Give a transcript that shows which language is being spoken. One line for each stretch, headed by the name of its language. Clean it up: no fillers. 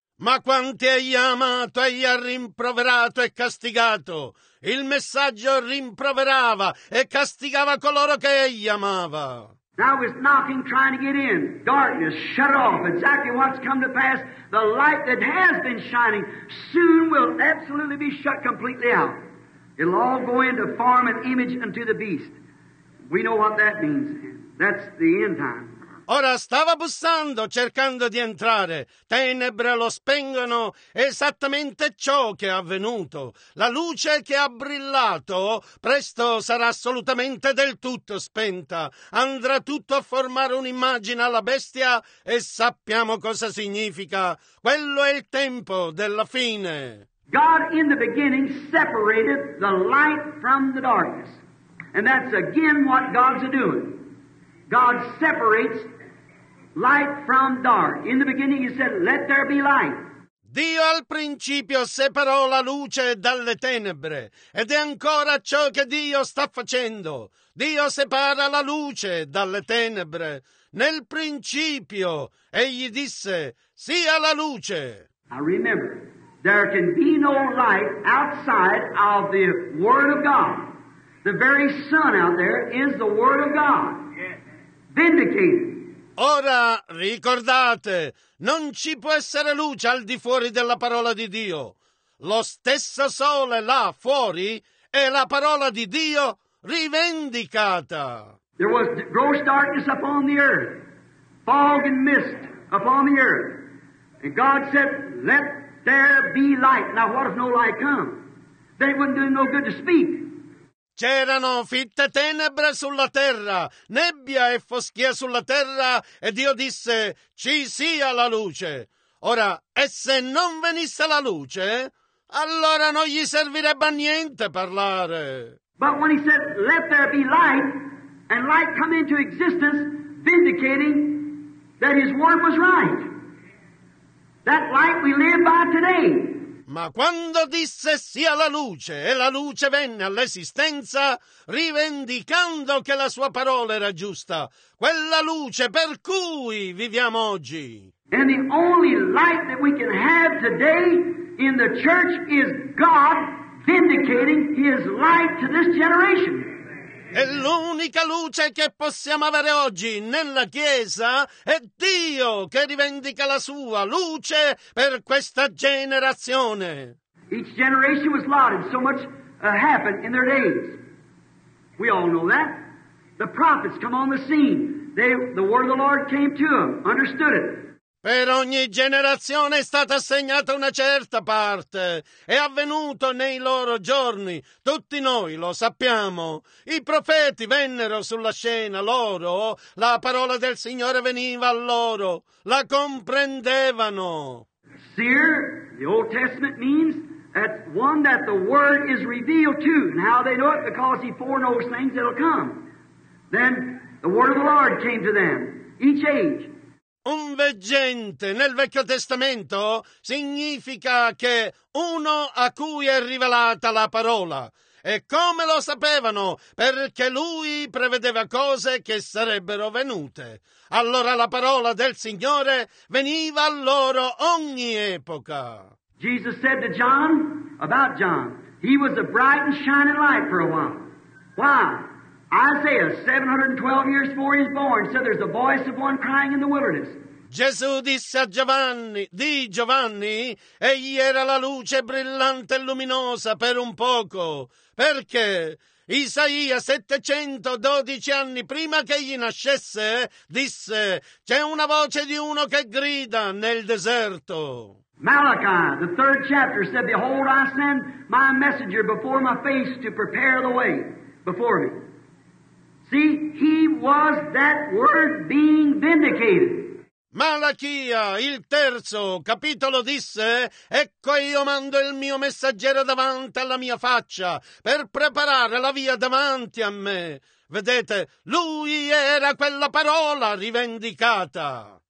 Italian: Ma quanti egli ha amato, egli ha rimproverato e castigato. Il messaggio rimproverava e castigava coloro che egli amava.
English: Now he's knocking, trying to get in. Darkness, shut off. Exactly what's come to pass. The light that has been shining soon will absolutely be shut completely out. It'll all go into form and image unto the beast. We know what that means. That's the end time.
Italian: Ora stava bussando, cercando di entrare. Tenebre lo spengono, esattamente ciò che è avvenuto. La luce che ha brillato presto sarà assolutamente del tutto spenta. Andrà tutto a formare un'immagine alla bestia e sappiamo cosa significa. Quello è il tempo della fine.
English: God in the beginning separated the light from the darkness. And that's again what God's doing. God separates light from dark. In the beginning he said, let there be light.
Italian: Dio al principio separò la luce dalle tenebre, ed è ancora ciò che Dio sta facendo. Dio separa la luce dalle tenebre. Nel principio egli disse, sia la luce.
English: I remember, there can be no light outside of the Word of God. The very sun out there is the Word of God. Vindicated.
Italian: Ora ricordate, non ci può essere luce al di fuori della parola di Dio. Lo stesso sole là fuori è la parola di Dio rivendicata.
English: There was gross darkness upon the earth, fog and mist upon the earth. And God said, let there be light. Now what if no light come? Then it wouldn't do no good to speak.
Italian: C'erano fitte tenebre sulla terra, nebbia e foschia sulla terra, e Dio disse, ci sia la luce. Ora, e se non venisse la luce, allora non gli servirebbe a niente parlare.
English: But when he said, let there be light, and light come into existence, vindicating that his word was right. That light we live by today.
Italian: Ma quando disse sia la luce e la luce venne all'esistenza, rivendicando che la sua parola era giusta, quella luce per cui viviamo oggi.
English: And the only light that we can have today in the church is God vindicating his light to this generation.
Italian: E l'unica luce che possiamo avere oggi nella Chiesa è Dio che rivendica la sua luce per questa generazione.
English: Each generation was lauded, so much happened in their days. We all know that. The prophets come on the scene. The word of the Lord came to them, understood it.
Italian: Per ogni generazione è stata assegnata una certa parte. È avvenuto nei loro giorni. Tutti noi lo sappiamo. I profeti vennero sulla scena loro. La parola del Signore veniva a loro. La comprendevano.
English: Seer, the Old Testament means that one that the word is revealed to. And how they know it? Because he foreknows things that'll come. Then the word of the Lord came to them. Each age.
Italian: Un veggente nel Vecchio Testamento significa che uno a cui è rivelata la parola. E come lo sapevano? Perché lui prevedeva cose che sarebbero venute. Allora la parola del Signore veniva a loro ogni epoca.
English: Jesus said to John, about John, he was a bright and shining light for a while. Why? Isaiah, 712 years before he's born, said there's a voice of one crying in the wilderness.
Italian: Gesù disse a Giovanni, di Giovanni, egli era la luce brillante e luminosa per un poco. Perché? Isaia, 712 anni prima che egli nascesse, disse, c'è una voce di uno che grida nel deserto.
English: Malachi, the third chapter, said, behold, I send my messenger before my face to prepare the way before me. See, he was that word being vindicated.
Italian: Malachia, il terzo capitolo, disse, ecco io mando il mio messaggero davanti alla mia faccia per preparare la via davanti a me. Vedete, lui era quella parola rivendicata.